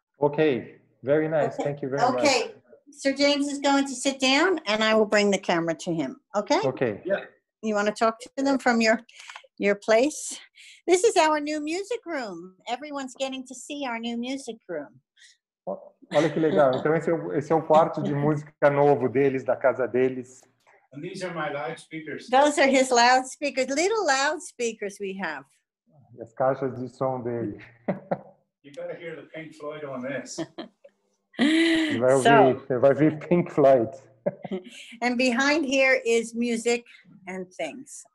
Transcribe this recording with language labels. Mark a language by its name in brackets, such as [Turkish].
[English] Okay. Very nice. Okay. Thank you very okay. much. Okay. Sir James is going to sit down and I will bring the camera to him. Okay? Okay. Yeah. You want to talk to them from your place? This is our new music room. Everyone's getting to see our new music room. [Portuguese] Olha que legal. Então esse é o quarto de música novo deles, da casa deles. [English] And these are my loudspeakers. Those are his loudspeakers, little loudspeakers we have. [Portuguese] E as caixas de som dele. [English] You better hear the Pink Floyd on this. [Portuguese] Vai ouvir Pink Floyd. [English] And behind here is music and things.